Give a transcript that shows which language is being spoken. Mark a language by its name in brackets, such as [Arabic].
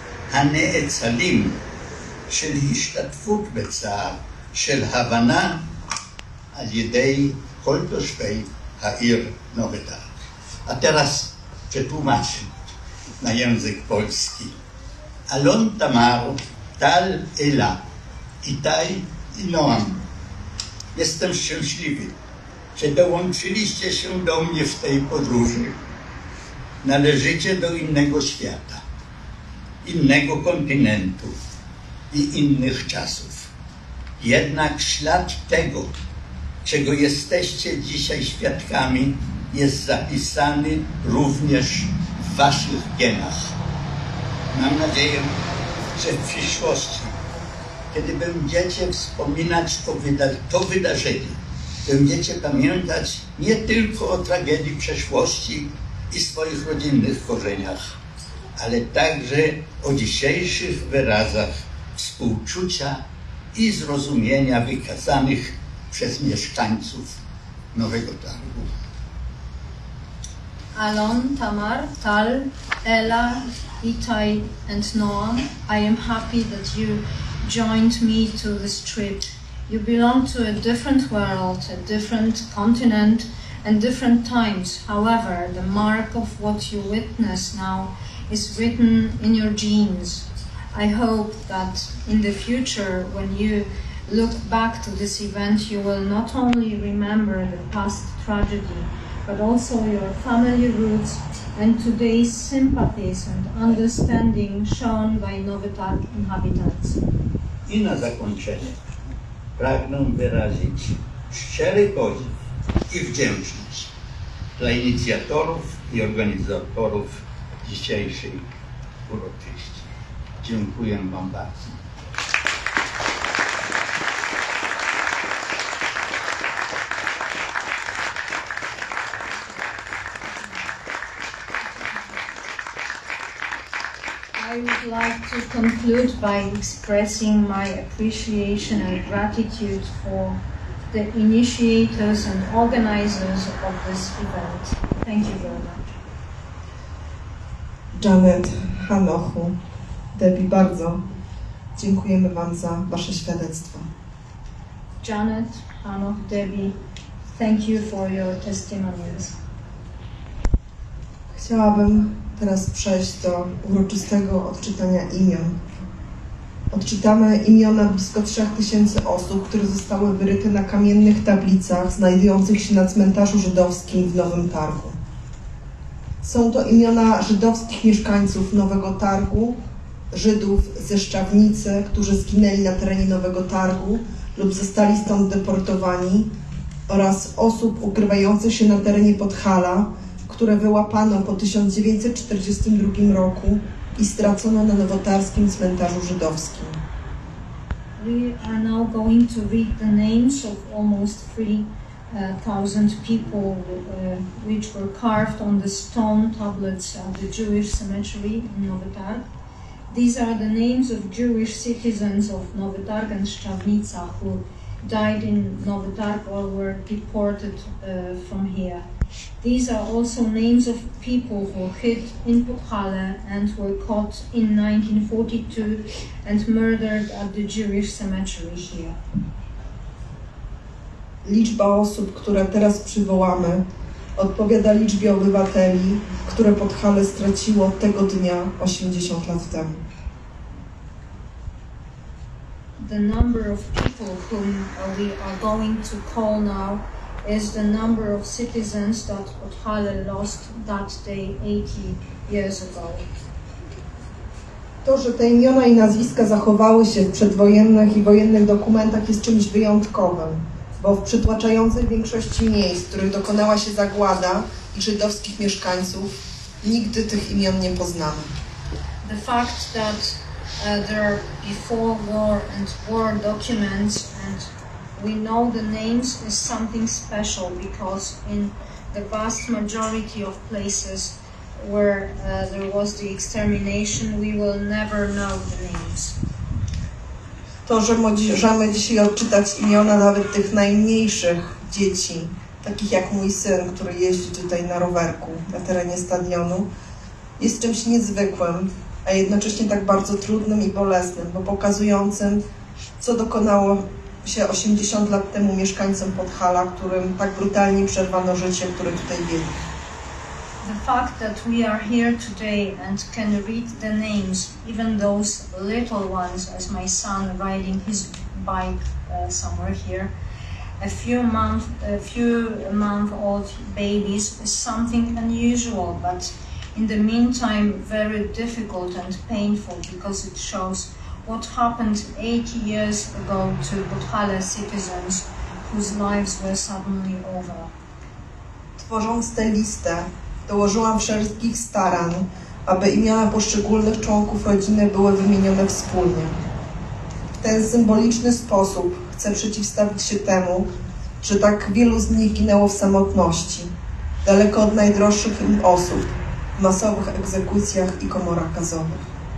[Hebrew] הנאצלים של השתתפות בצער, של הבנה על ידי כל תושבי העיר נובי טארק. [Polish] A teraz przetłumaczę na język polski. Alon, Tamar, Tal, Ela, Itai i Noam. Jestem szczęśliwy, że dołączyliście się do mnie w tej podróży. Należycie do innego świata, innego kontynentu i innych czasów. Jednak ślad tego, czego jesteście dzisiaj świadkami, jest zapisany również w waszych genach. Mam nadzieję, wkrótce, w przyszłości, kiedy będziecie wspominać to wydarzenie, będziecie pamiętać nie tylko o tragedii przeszłości i swoich rodzinnych korzeniach, ale także o dzisiejszych wyrazach współczucia i zrozumienia wykazanych przez mieszkańców Nowego Targu. [English] Alon, Tamar, Tal, Ella, Itai and Noam, I am happy that you joined me to this trip. You belong to a different world, a different continent and different times. However, the mark of what you witness now is written in your genes. I hope that in the future, when you look back to this event, you will not only remember the past tragedy, but also your family roots and today's sympathies and understanding shown by Nowy Targ inhabitants. [Polish] I na zakończenie pragnę wyrazić szczery podziw i wdzięczność dla inicjatorów i organizatorów dzisiejszej uroczyści. Dziękuję Wam bardzo. [English] I would like to conclude by expressing my appreciation and gratitude for the initiators and organizers of this event. Thank you very much. [Polish] Janet, Hanochu, Debbie, bardzo dziękujemy Wam za Wasze świadectwo. [English] Janet, Hanoch, Debbie, thank you for your testimonies. [Polish] Chciałabym teraz przejść do uroczystego odczytania imion. Odczytamy imiona blisko 3000 osób, które zostały wyryte na kamiennych tablicach znajdujących się na cmentarzu żydowskim w Nowym Targu. Są to imiona żydowskich mieszkańców Nowego Targu, Żydów ze Szczawnicy, którzy zginęli na terenie Nowego Targu lub zostali stąd deportowani, oraz osób ukrywających się na terenie Podhala, które wyłapano po 1942 roku i stracono na nowotarskim cmentarzu żydowskim. [English] We are now going to read the names of almost 3,000 people which were carved on the stone tablets at the Jewish cemetery in Nowy Targ. These are the names of Jewish citizens of Nowy Targ and Szczawnica who died in Nowy Targ or were deported from here. These are also names of people who hid in Puchale and were caught in 1942 and murdered at the Jewish cemetery here. [Polish] Liczba osób, które teraz przywołamy, odpowiada liczbie obywateli, które Podhale straciło tego dnia 80 lat temu. [English] The number of people whom we are going to call now is the number of citizens that Podhale lost that day 80 years ago. [Polish] To, że te imiona i nazwiska zachowały się w przedwojennych i wojennych dokumentach, jest czymś wyjątkowym, bo w przytłaczającej większości miejsc, w których dokonała się zagłada i żydowskich mieszkańców, nigdy tych imion nie poznamy. [English] The fact that there are before war and war documents and we know the names is something special because in the vast majority of places where there was the extermination, we will never know the names. [Polish] To, że możemy dzisiaj odczytać imiona nawet tych najmniejszych dzieci, takich jak mój syn, który jeździ tutaj na rowerku na terenie stadionu, jest czymś niezwykłym, a jednocześnie tak bardzo trudnym i bolesnym, bo pokazującym, co dokonało się 80 lat temu mieszkańcom Podhala, którym tak brutalnie przerwano życie, które tutaj biegło. [English] The fact that we are here today and can read the names, even those little ones, as my son riding his bike somewhere here, a few month old babies, is something unusual, but in the meantime very difficult and painful because it shows what happened 80 years ago to Podhale citizens whose lives were suddenly over. [Polish] Tworząc tę listę, dołożyłam wszelkich starań, aby imiona poszczególnych członków rodziny były wymienione wspólnie. W ten symboliczny sposób chcę przeciwstawić się temu, że tak wielu z nich ginęło w samotności, daleko od najdroższych im osób, w masowych egzekucjach i komorach gazowych.